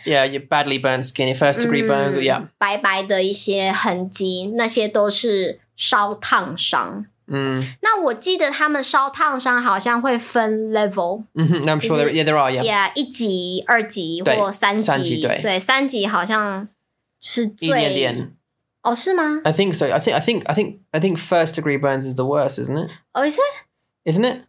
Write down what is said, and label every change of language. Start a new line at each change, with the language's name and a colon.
English: yeah you badly burned skin first degree burns、 yeah
Chinese: 白白的一些痕迹那些都是烧烫伤嗯，那我记得他们烧烫伤好像会分 level。嗯，
English: I'm sure there, yeah, there are, yeah. Yeah,
Chinese: 一级、二级或三级，三级对，对，三级好像是最。一点点。哦，是吗
English: ？I think so. I think first degree burns is the worst, isn't it? Oh, is it? Isn't it?